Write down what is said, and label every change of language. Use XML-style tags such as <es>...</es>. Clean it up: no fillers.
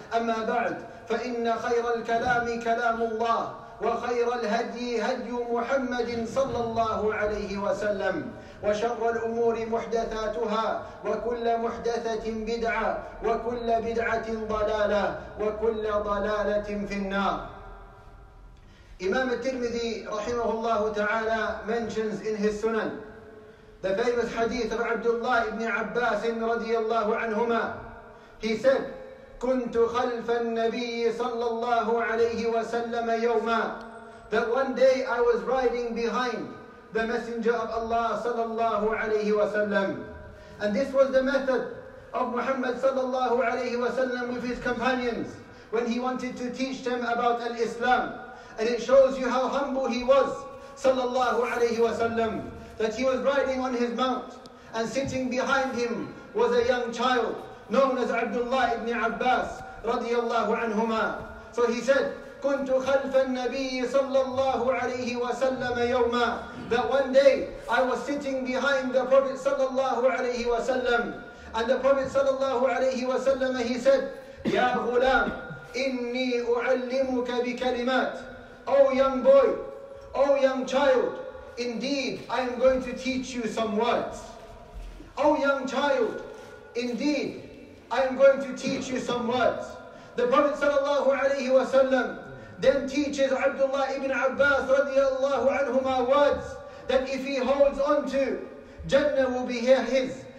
<ar>أما بعد، فإن خير الكلام كلام الله، وخير الهدي هدي محمد صلى الله عليه وسلم، وشر الأمور محدثاتها، وكل محدثة بدعة، وكل بدعة ضلالة، وكل ضلالة في النار. إمام الترمذي رحمه الله تعالى</ar> <en>mentions in his Sunan the famous hadith of Abdullah ibn Abbas</en> <ar>رضي الله عنهما.</ar> <en>He said,</en> <ar>كنت خلف النبي صلى الله عليه وسلم يوما,</ar> <en>that one day I was riding behind the Messenger of Allah sallallahu alayhi wa sallam. And this was the method of Muhammad sallallahu alayhi wa sallam with his companions when he wanted to teach them about al-Islam. And it shows you how humble he was sallallahu alayhi wa sallam, that he was riding on his mount and sitting behind him was a young child known as Abdullah ibn Abbas radiyallahu anhuma. So he said,</en> <ar>كنت خلف النبي صلى الله عليه وسلم يوما,</ar> <en>that one day I was sitting behind the Prophet صلى الله عليه وسلم, and the Prophet صلى الله عليه وسلم, he said,</en> <ar>يا غلام إني أعلمك بكلمات.</ar> <en>Oh young boy, oh young child, indeed I am going to teach you some words. Oh young child, indeed I am going to teach you some words. The Prophet صلى الله عليه وسلم then teaches Abdullah ibn Abbas radiallahu anhuma words that if he holds on to, Jannah will be his.</en>